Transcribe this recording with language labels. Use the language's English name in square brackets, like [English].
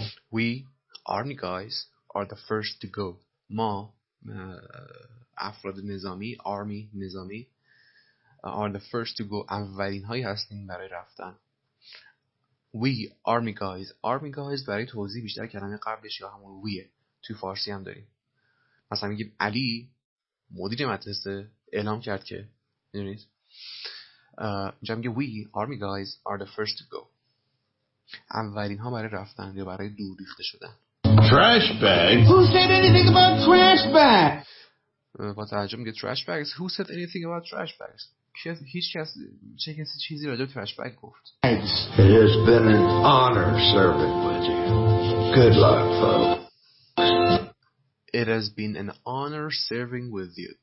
[English] We army guys are the first to go. [Persian] ما افراد نظامی army نظامی [English] are the first to go [Persian] اولین هایی هستیم برای رفتن. [English] We army guys [Persian] برای توضیح بیشتر کلمه قبلش یا همون we توی فارسی هم داریم. مثلا میگیم علی مدیر مدرسه اعلام کرد که میدونید اینجا میگه [English] we army guys are the first to go [Persian] اولین ها برای رفتن یا برای دور ریخته شدن. [English] Trash bags. Who said anything about trash bags? [Persian] با توجه میگه [English] trash bags. Who said anything about trash bags? [Persian] هیچ کس چه کسی چیزی راجع به trash bag گفت. [English] It has been an honor serving with you. Good luck, folks. It has been an honor serving with you.